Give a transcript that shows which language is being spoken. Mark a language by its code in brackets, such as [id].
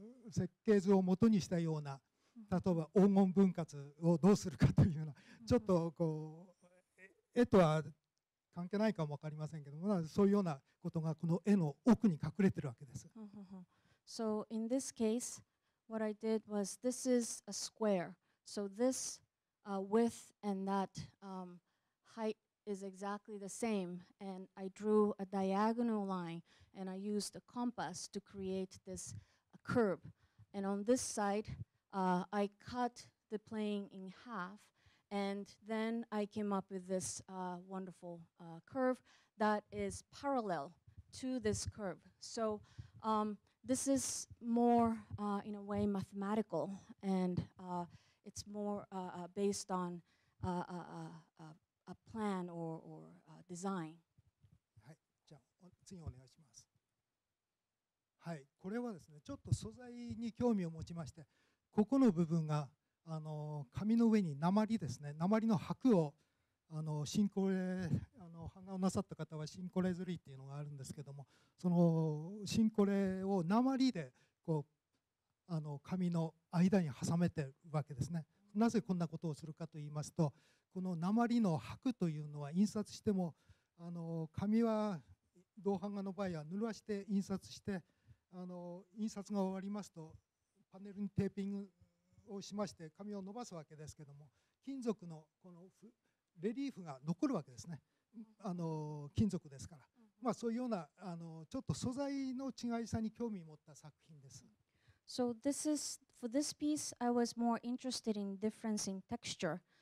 [ja] 設計図を元にしたような、例えば黄金分割をどうするかというような、ちょっとこう絵とは関係ないかも分かりませんけども、まあそういうようなことがこの絵の奥に隠れてるわけです。 [en] So in this caseWhat I did was, this is a square. So this width and that height is exactly the same. And I drew a diagonal line and I used a compass to create this curve. And on this side, I cut the plane in half. And then I came up with this wonderful curve that is parallel to this curve. So,This is more, in a way, mathematical, and it's more based on a plan or design. [ja] はい、じゃあ次お願いします。はい、これはですね、ちょっと素材に興味を持ちまして、ここの部分が紙の上に鉛ですね、鉛の箔を新コレ版画をなさった方はシンコレ刷りっていうのがあるんですけども、そのシンコレを鉛でこう紙の間に挟めてるわけですね。なぜこんなことをするかと言いますと、この鉛の箔というのは印刷しても紙は銅版画の場合は濡らして印刷して、印刷が終わりますとパネルにテーピングをしまして紙を伸ばすわけですけども、金属のこのレリーフが残るわけですね。金属ですから、まあそういうようなちょっと素材の違いさに興味を持った作品です。 [en] So this is for this piece, I was more interested in difference in texture.